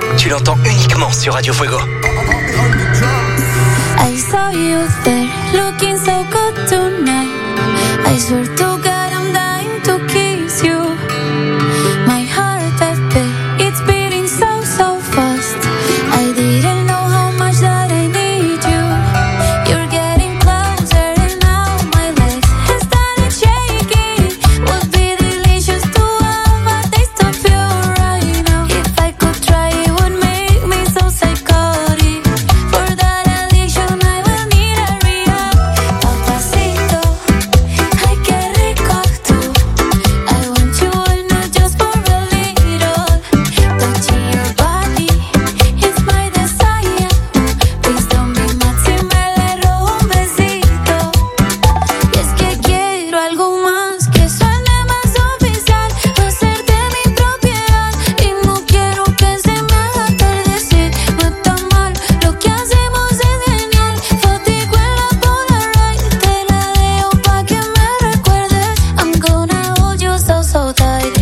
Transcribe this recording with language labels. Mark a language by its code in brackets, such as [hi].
[fr] Tu l'entends uniquement sur Radio Fuego. [en] I saw you there, looking so good tonight. I swear to God I'm dying to kiss you. My heart has beat, it's beating so, so fast. I didn't know how much that I need you. You're getting closer and now my legs have started shaking. Would be delicious to have a taste of you right now. If I could try, it would make me so psychotic. For that addiction, I will need a real papacito. [es] Ay, qué rico tú. [en] I want you all, not just for a little. Touching your body is my desire. Please don't be mad [es] si me le robo un besito. Y es que quiero algo más que suene más oficial. Hacerte mi propiedad. Y no quiero que se me haga atardecer. No está mal, lo que hacemos es genial. Fatigo en la polaroid. Te la dejo pa' que me recuerdes. [en] I'm gonna hold you so, so tight.